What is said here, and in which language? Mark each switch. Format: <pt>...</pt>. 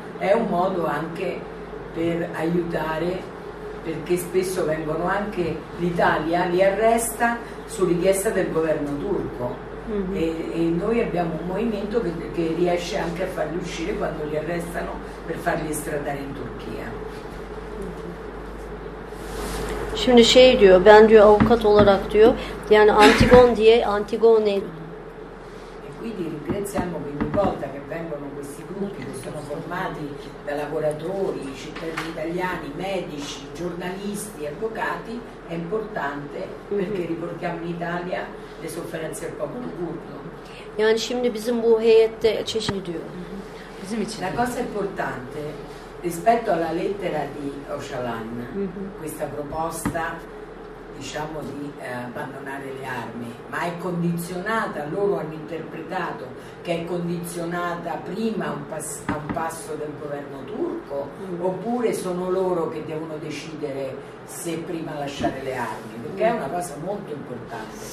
<it>È un modo anche per aiutare, perché spesso vengono anche, l'Italia li arresta su richiesta del governo turco, e noi abbiamo un movimento che riesce anche a farli uscire quando li arrestano per farli estradare in Turchia.</it> <tr>Şimdi şey diyor, ben diyor avukat olarak diyor, yani Antigone diye, Antigone.</tr> <it>E quindi ringraziamo ogni volta che vengono questi gruppi che sono formati da lavoratori, cittadini italiani, medici, giornalisti, avvocati, è importante perché riportiamo in Italia le sofferenze del popolo curdo.</it> <tr>Yani şimdi bizim bu heyette çeşitli diyor. Bizim için.</tr> <it>La cosa importante rispetto alla lettera di Öcalan, questa proposta diciamo di abbandonare le armi, ma è condizionata, loro hanno interpretato che è condizionata prima a un passo del governo turco, oppure sono loro che devono decidere se prima lasciare le armi, perché è una cosa molto importante.</it>